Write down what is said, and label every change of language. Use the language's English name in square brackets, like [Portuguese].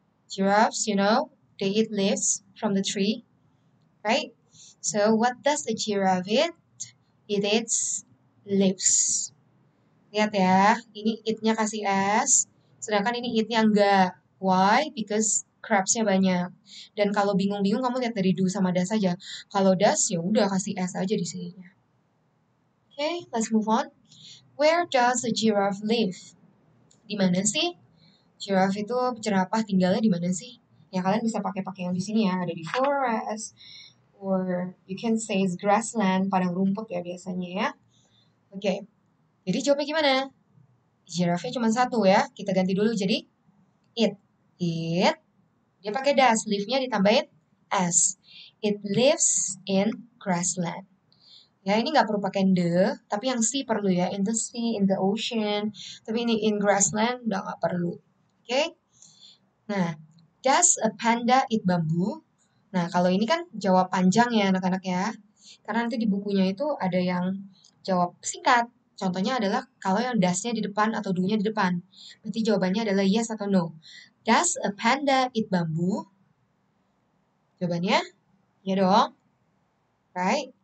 [English] Giraffes, you know, they eat leaves from the tree. Right? So, what does the giraffe eat? It eats leaves. [Indonesian] Lihat ya, ini it-nya kasih S, sedangkan ini it-nya enggak. [English] Why? Because [Indonesian] crabs-nya banyak. Dan kalau bingung-bingung, kamu lihat dari do sama does aja. Kalau does, ya udah kasih S aja di sini. Oke, okay, [English] let's move on. Where does the giraffe live? [Indonesian] Di mana sih? Giraffe itu jerapah tinggalnya di mana sih? Ya, kalian bisa pakai-pakai yang di sini ya. Ada di forest, [English] or you can say it's grassland, [Indonesian] padang rumput ya biasanya ya. Oke. Jadi jawabnya gimana? Jirafnya cuma satu ya. Kita ganti dulu jadi it. It. Dia pakai das, leaf-nya ditambahin s. [English] It lives in grassland. [Indonesian] Ya, ini nggak perlu pakai the, tapi yang sea perlu ya. [English] In the sea, in the ocean. [Indonesian] Tapi ini in grassland, udah nggak perlu. Oke? [English] Nah, does a panda eat bamboo? [Indonesian] Nah, kalau ini kan jawab panjang ya, anak-anak ya. Karena nanti di bukunya itu ada yang jawab singkat. Contohnya adalah kalau yang does-nya di depan atau do-nya di depan. Berarti jawabannya adalah yes atau no. [English] Does a panda eat bamboo? [Indonesian] Jawabannya, ya dong. [English] Right?